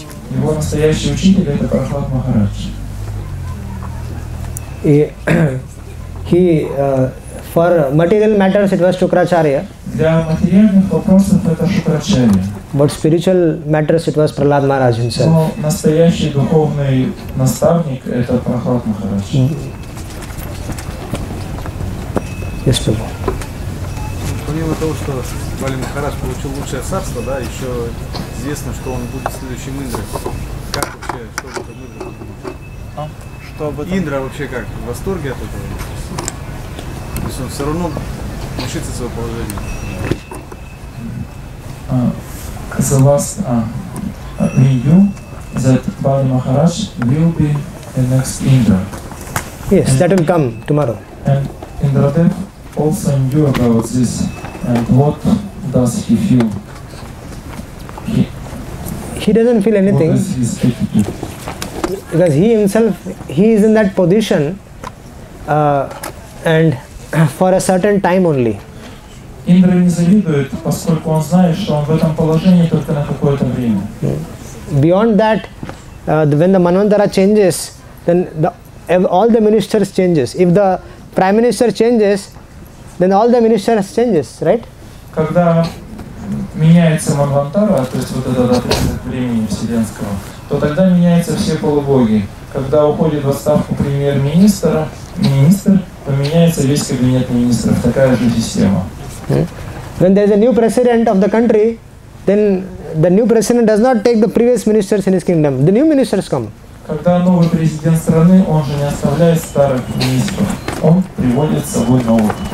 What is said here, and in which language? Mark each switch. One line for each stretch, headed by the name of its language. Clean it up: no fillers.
Russian: Его настоящий учитель это Прахлад Махарадж.
English: He for material matters it was Shukracharya.
Russian: Для материальных вопросов это Шукрачарья.
English: But spiritual matters it was Prahlad Maharaj himself.
Russian: Но настоящий духовный наставник это Прахлад Махарадж.
English: Yes, Prabhu.
Russian: Помимо того, что Бали Махарадж получил лучшее царство, да, еще известно, что он будет следующим Индрой. Как вообще, что это Индра? Что об этом? Индра вообще как? В восторге от этого? То есть он все равно лишится своего положения.
English: The last review that Бали Махарадж will be the next Indra. Yes, and that will come tomorrow. And Indradev also knew about this. And what does he feel? He doesn't feel anything. What is his attitude? Because he himself, he is in that position and for a certain time only.
Russian: Indra не завидует, поскольку он знает, что он в этом положении только на какое-то время.
English: Beyond that, when the Manvantara changes, then all the ministers changes. If the prime minister changes, then all the ministers changes, right?
Russian: Когда меняется Манвантара, то есть вот этот отрезок времени вселенского, то тогда меняются все полубоги. Когда уходит в отставку премьер-министра, министр, то меняется весь кабинет министров. Такая же система.
English: When there is a new president of the country, then the new president does not take the previous ministers in his kingdom. The new ministers come.
Russian: Когда новый президент страны, он же не оставляет старых министров. Он приводит с собой новых.